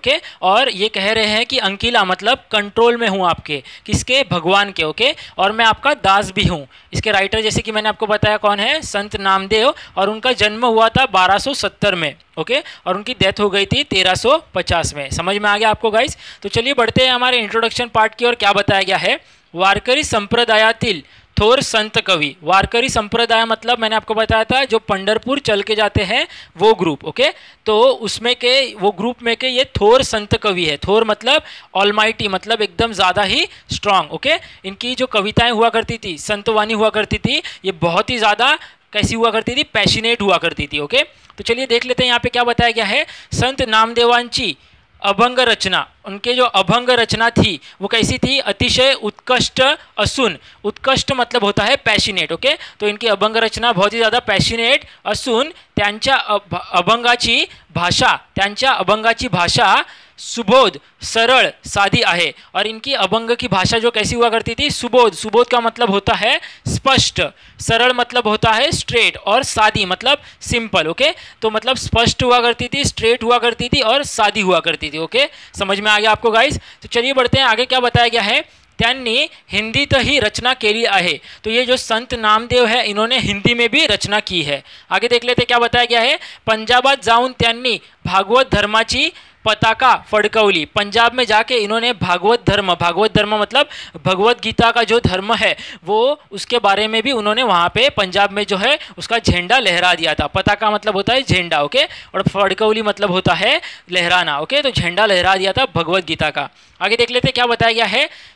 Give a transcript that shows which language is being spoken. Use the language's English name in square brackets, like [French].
[Hindi] Okay और ये कह रहे हैं कि अंकिला मतलब कंट्रोल में हूँ आपके, किसके? भगवान के। ओके और मैं आपका दास भी हूँ। इसके राइटर जैसे कि मैंने आपको बताया कौन है, संत नामदेव, और उनका जन्म हुआ था 1270 में। ओके और उनकी डेथ हो गई थी 1350 में। समझ में आ गया आपको गाइस? तो चलिए बढ़ते हैं हमारे इंट्रोडक्शन पार्ट की ओर। क्या बताया गया है? [Marathi] वारकरी संप्रदायातील थोर संत कवि। [Hindi] वारकरी संप्रदाय मतलब मैंने आपको बताया था जो पंडरपुर चल के जाते हैं वो ग्रुप। ओके तो उसमें के वो ग्रुप में के ये थोर संत कवि है। थोर मतलब ऑलमाइटी, मतलब एकदम ज़्यादा ही स्ट्रांग। ओके इनकी जो कविताएं हुआ करती थी, संतवाणी हुआ करती थी, ये बहुत ही ज़्यादा कैसी हुआ करती थी? पैशनेट हुआ करती थी। ओके तो चलिए देख लेते हैं यहाँ पे क्या बताया गया है। [Marathi] संत नामदेवांची अभंग रचना, [Hindi] उनके जो अभंग रचना थी वो कैसी थी? [Marathi] अतिशय उत्कृष्ट असुन। [Hindi] उत्कृष्ट मतलब होता है पैशनेट। ओके तो इनकी अभंग रचना बहुत ही ज़्यादा पैशनेट [Marathi] असुन, त्यांच्या अभंगाची भाषा, त्यांच्या अभंगाची भाषा सुबोध सरल साधी आहे। [Hindi] और इनकी अभंग की भाषा जो कैसी हुआ करती थी? सुबोध। सुबोध का मतलब होता है स्पष्ट, सरल मतलब होता है स्ट्रेट, और सादी मतलब सिंपल। ओके तो मतलब स्पष्ट हुआ करती थी, स्ट्रेट हुआ करती थी, और सादी हुआ करती थी। ओके समझ में आ गया आपको गाइस? तो चलिए बढ़ते हैं आगे। क्या बताया गया है? [Marathi] त्यांनी हिंदी तो ही रचना के लिए आहे। [Hindi] तो ये जो संत नामदेव है इन्होंने हिंदी में भी रचना की है। आगे देख लेते क्या बताया गया है। [Marathi] पंजाबात जाऊन त्यांनी भागवत धर्माची पताका फड़कवली। [Hindi] पंजाब में जाके इन्होंने भागवत धर्म, भागवत धर्म मतलब भगवत गीता का जो धर्म है वो, उसके बारे में भी उन्होंने वहाँ पे पंजाब में जो है उसका झंडा लहरा दिया था। पताका मतलब होता है झंडा। ओके और फड़कवली मतलब होता है लहराना। ओके तो झंडा लहरा दिया था भगवत गीता का। आगे देख लेते क्या बताया गया है।